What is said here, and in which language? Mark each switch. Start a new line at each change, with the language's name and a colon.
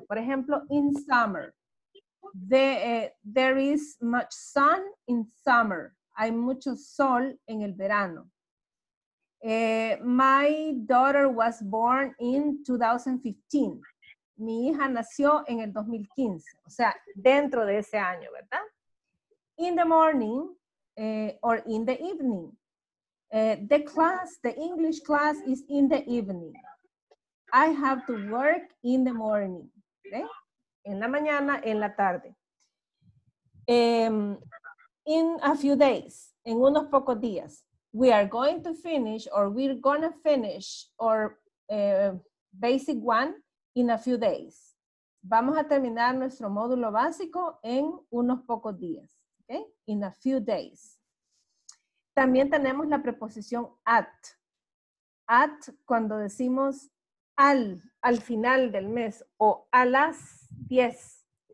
Spanish: Por ejemplo,
English: in summer. There is much sun in summer.
Spanish: Hay mucho sol en el verano.
English: My daughter was born in 2015.
Spanish: Mi hija nació en el 2015. O sea, dentro de ese año, ¿verdad?
English: In the morning or in the evening. The class, the English class is in the evening. I have to work in the morning. ¿Okay?
Spanish: En la mañana, en la tarde.
English: In a few days,
Spanish: en unos pocos días.
English: We are going to finish or we're going to finish our basic one in a few days.
Spanish: Vamos a terminar nuestro módulo básico en unos pocos días. ¿Okay?
English: In a few days.
Spanish: También tenemos la preposición at. At, cuando decimos al final del mes o a las 10.